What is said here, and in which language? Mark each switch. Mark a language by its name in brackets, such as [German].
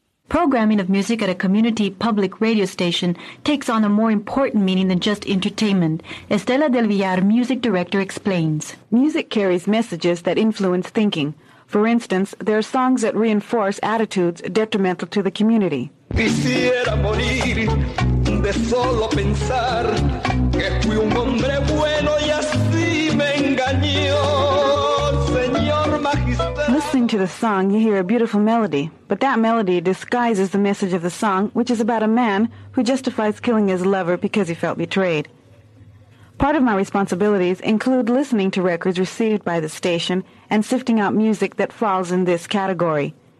[English] Programming of music at a community public radio station takes on a more important meaning than just entertainment. Estela del Villar, music director, explains. Music carries messages that influence thinking. For instance, there are songs that reinforce attitudes detrimental to the community. [Spanish] Quisiera morir de solo pensar que fui un hombre bueno y así me engañó, señor magistrado. [English] Listening to the song, you hear a beautiful melody, but that melody disguises the message of the song, which is about a man who justifies killing his lover because he felt betrayed. Part of my responsibilities include listening to records received by the station and sifting out music that falls in this category.